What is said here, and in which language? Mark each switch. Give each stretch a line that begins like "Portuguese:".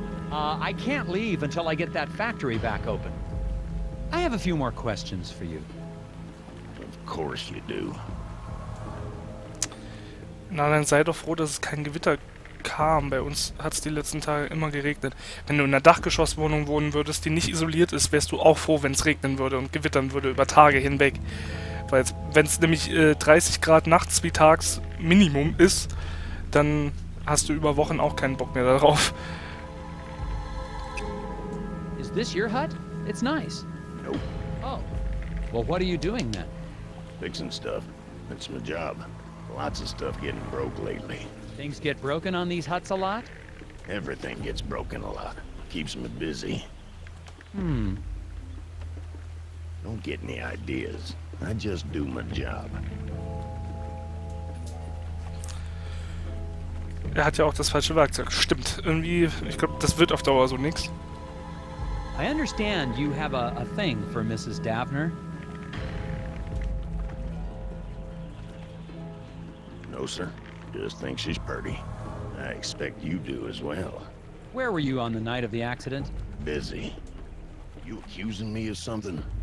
English: I can't leave until I get that factory back open. I have a few more questions for you. Of course you do.
German: Na, dann sei doch froh, dass es kein Gewitter kam. Bei uns hat es die letzten Tage immer geregnet. Wenn du in einer Dachgeschosswohnung wohnen würdest, die nicht isoliert ist, wärst du auch froh, wenn es regnen würde und gewittern würde über Tage hinweg. Weil wenn es nämlich 30 Grad nachts wie tags Minimum ist, dann hast du über Wochen auch keinen Bock mehr darauf.
English: Is this your hut? It's nice. Nope. Oh. Well, what are you doing then? Fixing stuff. That's my job. Lots of stuff getting broke lately. Things get broken on these huts a lot? Everything gets broken a lot. Keeps me busy. Hmm. Don't get any ideas. I just do my job.
German: Er hat ja auch das falsche Werkzeug. Stimmt. Irgendwie, ich glaube, das wird auf Dauer so nix.
English: I understand you have a thing for Mrs. Dabner. No, sir. Just think she's pretty. I expect you do as well. Where were you on the night of the accident? Busy. You accusing me of something?